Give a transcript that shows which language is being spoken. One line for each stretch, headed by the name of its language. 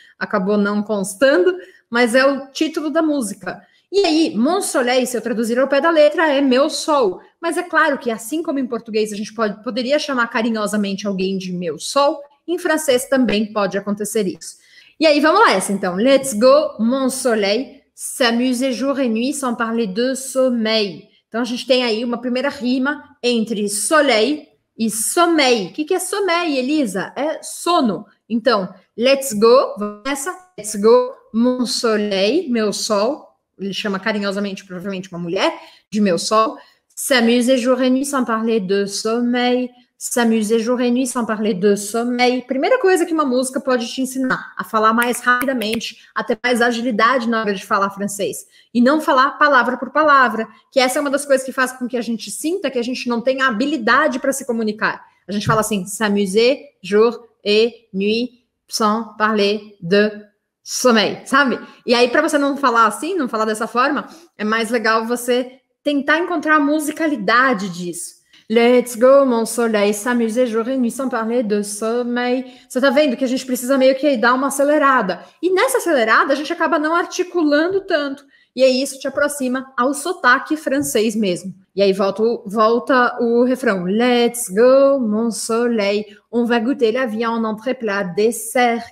Portuguese: Acabou não constando, mas é o título da música. E aí,
French: mon soleil,
Portuguese: se eu traduzir ao pé da letra, é meu sol. Mas é claro que, assim como em português, a gente poderia chamar carinhosamente alguém de meu sol, em francês também pode acontecer isso. E aí, vamos lá essa, então.
English: Let's go,
French: mon soleil, s'amuser jour et nuit sans parler de sommeil.
Portuguese: Então, a gente tem aí uma primeira rima entre soleil e sommeil. O que é sommeil, Elisa? É sono. Então,
English: let's go,
Portuguese: vamos nessa.
English: Let's go,
French: mon soleil,
Portuguese: meu sol. Ele chama carinhosamente, provavelmente, uma mulher de meu sol.
French: S'amuser jour et nuit sans parler de sommeil. S'amuser jour et nuit sans parler de sommeil.
Portuguese: Primeira coisa que uma música pode te ensinar a falar mais rapidamente, a ter mais agilidade na hora de falar francês. E não falar palavra por palavra, que essa é uma das coisas que faz com que a gente sinta que a gente não tem habilidade para se comunicar. A gente fala assim,
French: s'amuser jour et nuit sans parler de sommeil,
Portuguese: sabe? E aí, para você não falar assim, não falar dessa forma, é mais legal você tentar encontrar a musicalidade disso.
English: Let's go,
French: mon soleil, s'amuser jour et nuit sans parler de sommeil.
Portuguese: Você tá vendo que a gente precisa meio que dar uma acelerada. E nessa acelerada, a gente acaba não articulando tanto. E aí isso te aproxima ao sotaque francês mesmo. E aí volta o refrão.
English: Let's go,
French: mon soleil, on va goûter la viande en entreplat dessert.